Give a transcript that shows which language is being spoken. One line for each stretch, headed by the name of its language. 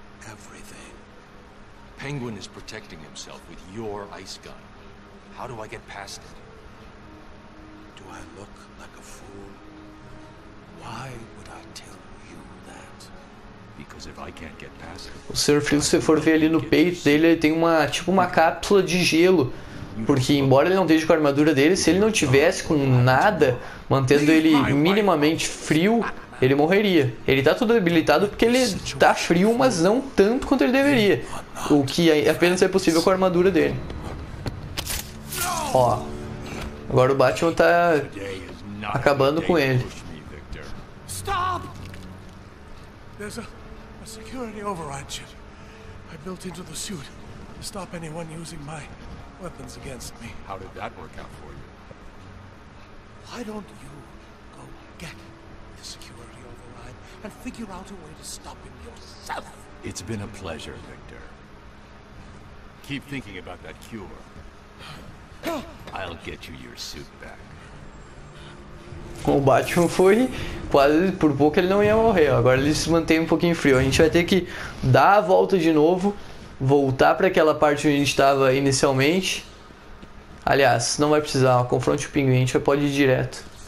English: Everything. Penguin is protecting himself with your ice gun. How do I get past it? Do I look like a fool? Why would I tell you that? Because if I can't get past
Portuguese: O Senhor Frio, se for ver ali no peito dele, ele tem uma tipo uma cápsula de gelo. Porque embora ele não esteja com a armadura dele, se ele não tivesse com nada, mantendo ele minimamente frio, ele morreria. Ele tá todo debilitado porque ele tá frio, mas não tanto quanto ele deveria. O que apenas é possível com a armadura dele. Ó. Agora o Batman tá acabando com ele.
English: Stop! There's a security override chip I built into the suit to stop anyone using my weapons against me. How did that work out for you? Why don't you go get the security override and figure out a way to stop him yourself? It's been a pleasure, Victor. Keep thinking about that cure. I'll get you your suit back.
Portuguese: O Batman foi quase por pouco ele não ia morrer. Agora ele se mantém um pouquinho frio. A gente vai ter que dar a volta de novo, voltar para aquela parte onde a gente estava inicialmente. Aliás, não vai precisar. Confronte o Pinguim, a gente pode ir direto.